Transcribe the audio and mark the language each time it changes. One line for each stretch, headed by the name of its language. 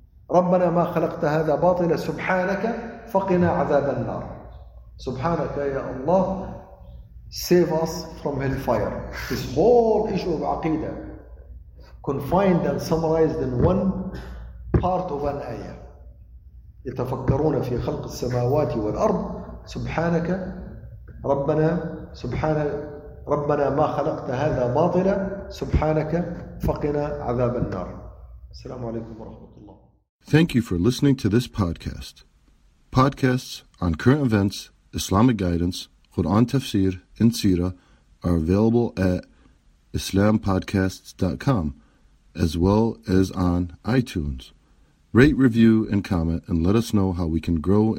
Arabic: رَبَّنَا مَا خَلَقْتَ هَذَا بَاطِلًا سُبْحَانَكَ فَقِنَا عَذَابَ النَّارِ. سُبْحَانَكَ يَا اللَّهُ,
English: save us from hellfire. This whole issue of aqidah confined and summarized in one part of an ayah.
Arabic: يتفكرون في خلق السماوات والأرض سبحانك ربنا سبحان ربنا ما خلقت هذا باطلا سبحانك فقنا عذاب النار. السلام عليكم ورحمة الله.
English: Thank you for listening to this podcast. Podcasts on current events, Islamic guidance, Quran tafsir, and Sira are available at islampodcasts.com as well as on iTunes. Rate, review, and comment, and let us know how we can grow in